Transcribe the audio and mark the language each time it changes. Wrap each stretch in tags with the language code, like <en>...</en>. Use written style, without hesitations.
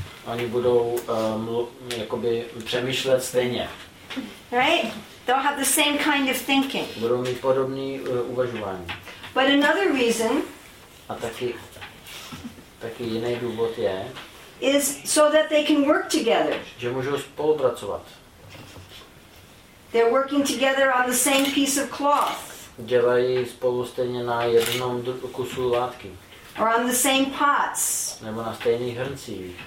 <cs>Oni budou jakoby přemýšlet stejně.</cs> <en>Right? They'll have the same kind of thinking.</en> <cs>Budou mít podobný uvažování.</cs> <en>But another reason.</en> <cs>A taky jiný důvod je.</cs> <en>Is so that they can work together.</en> <cs>Že můžou spolupracovat.</cs> <en>They're working together on the same piece of cloth.</en> <cs>Dělají spolu stejně na jednom kusu látky.</cs> <en>Or on the same pots.</en> <cs>Nebo na stejných hrncích.</cs>